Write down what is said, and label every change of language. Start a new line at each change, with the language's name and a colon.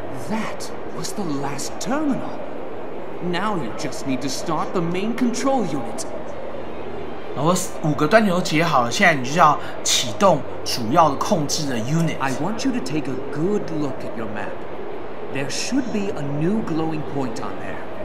English: That was the last terminal. Now you just need to start the main control unit.
Chinese: 然后五个端点都解好了，现在你就要启动主要的控制的 unit。
English: I want you to take a good look at your map. There should be a new glowing point on there.